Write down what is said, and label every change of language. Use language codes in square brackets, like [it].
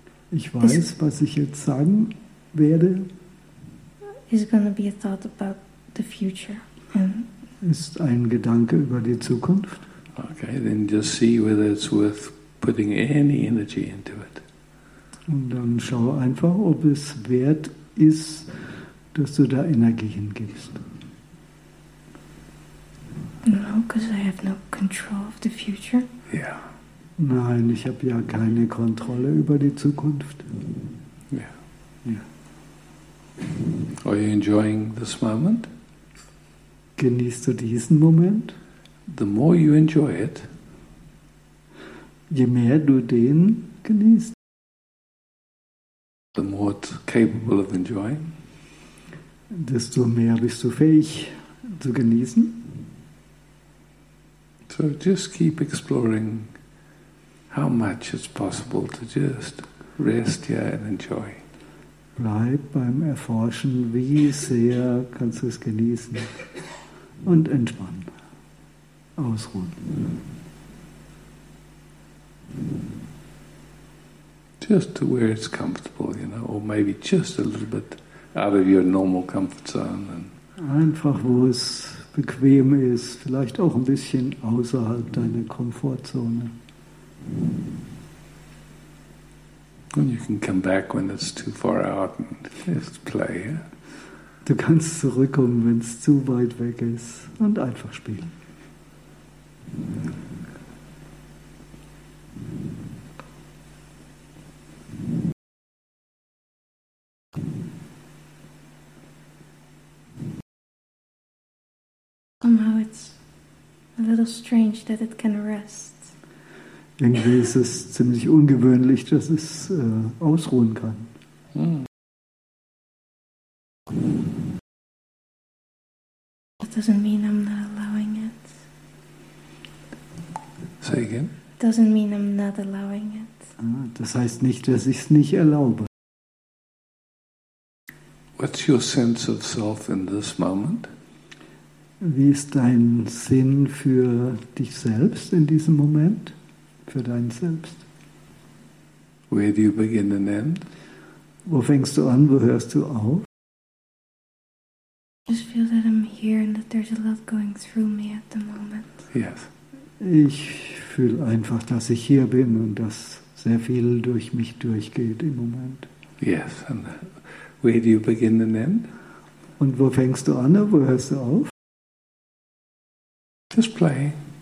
[de] Ich weiß, was ich jetzt sagen werde. [en] Is going to be a thought about the future. [de] Ist ein Gedanke über die Zukunft. [en] Okay, then just see whether it's worth putting any energy into it. [de] Und dann schau einfach, ob es wert ist, dass du da Energie hingibst. [en] No, because I have no control of the future. Yeah. [de] Nein, ich habe ja keine Kontrolle über die Zukunft. [en] Yeah. Are you enjoying this moment? [de] Genießt du diesen Moment? [en] The more you enjoy it, [de] je mehr du den genießt, [en] the more it's capable of enjoying, [de] desto mehr bist du fähig zu genießen. [en] So just keep exploring how much it's possible to just rest here and enjoy. [de] Bleib beim Erforschen, wie sehr kannst du es genießen und entspannen, ausruhen. [en] Just to where it's comfortable, you know, or maybe just a little bit out of your normal comfort zone. And [de] einfach, wo es bequem ist, vielleicht auch ein bisschen außerhalb deiner Komfortzone. [en] And you can come back when it's too far out and just play. Yeah? [de] Du kannst zurückkommen, wenn es zu weit weg ist und einfach spielen. [en] Somehow it's a little strange that it can rest. [de] Irgendwie ist es ziemlich ungewöhnlich, dass es ausruhen kann. [en] That doesn't mean I'm not allowing it. Say again. Doesn't mean I'm not allowing it. [de] Das heißt nicht, dass ich es nicht erlaube. [en] What's your sense of self in this moment? [de] Wie ist dein Sinn für dich selbst in diesem Moment? Für dein Selbst. [en] Where do you begin and end? [de] Wo fängst du an? Wo hörst du auf? [en] I just feel that I'm here and that there's a lot going through me at the moment. Yes. [de] Ich fühle einfach, dass ich hier bin und dass sehr viel durch mich durchgeht im Moment. [en] Yes. And where do you begin and end? [de] Und wo fängst du an? Wo hörst du auf? [en] Just play.